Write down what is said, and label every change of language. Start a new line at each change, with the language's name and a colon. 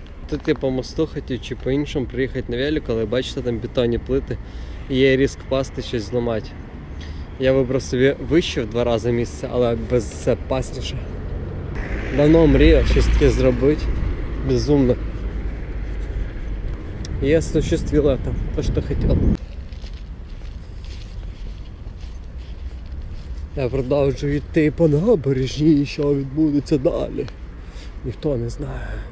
Ukrainian: Тут я по мосту хотів чи по іншому приїхати на велику, але бачите, там бетонні плити. І є ризик впасти, щось зламати. Я вибрав собі вище в 2 рази місце, але безпасніше. Давно мріяв щось таке зробити.
Russian: Безумно. Я осуществил это, то, что хотел. Я продолжаю идти по
Ukrainian: набережній, що відбудеться далі. Ніхто не знає.